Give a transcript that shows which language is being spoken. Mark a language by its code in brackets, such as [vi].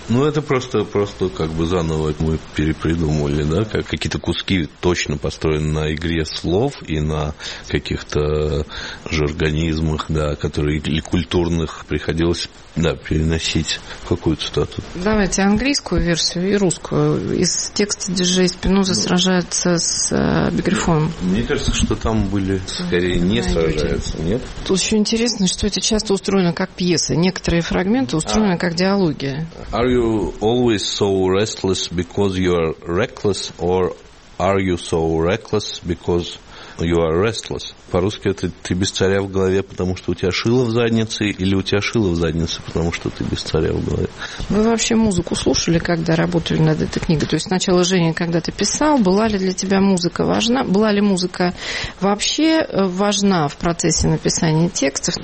[ru] Ну, это просто как бы заново мы перепридумывали, да, какие-то куски точно построены на игре слов и на каких-то жаргонизмах, да, которые или культурных приходилось, да, переносить какую-то цитату. Давайте английскую версию и русскую. Из текста Диджей Спиноза сражается с Бигрифоном. Мне кажется, что там были скорее не сражаются, нет? Тут еще интересно, что это часто устроено как пьеса. Некоторые фрагменты устроены как диалоги. [en] Are you always so restless because you are reckless, or are you so reckless because you are restless? [ru] По-русски это «ты без царя в голове, потому что у тебя шило в заднице», или «у тебя шило в заднице, потому что ты без царя в голове». Вы вообще музыку слушали, когда работали над этой книгой? То есть сначала, Женя, когда ты писал, была ли для тебя музыка важна? Была ли музыка вообще важна в процессе написания текстов?